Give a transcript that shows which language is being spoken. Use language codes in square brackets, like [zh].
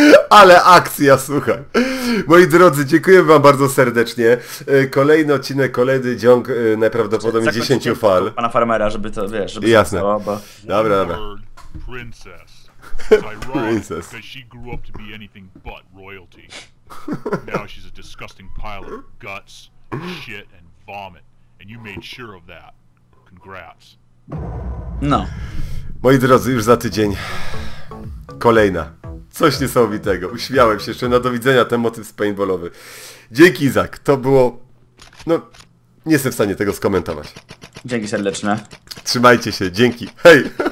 [pl] Ale akcja, słuchaj. Moi drodzy, dziękuję wam bardzo serdecznie. Kolejny odcinek, kolejny dziąg najprawdopodobniej 10 fal. Pana farmera, żeby to, wiesz, żeby jasne. To stało, bo... Dobra. Princess. Princess. [en] Because she grew up to be anything but royalty. Now she's a disgusting pile of guts, shit and vomit. And you made sure of that. Congrats. No. [pl] Moi drodzy, już za tydzień. Kolejna. Coś niesamowitego. Uśmiałem się jeszcze. Na do widzenia ten motyw paintballowy. Dzięki, Izak. To było... No, nie jestem w stanie tego skomentować. Dzięki serdeczne. Trzymajcie się. Dzięki. Hej!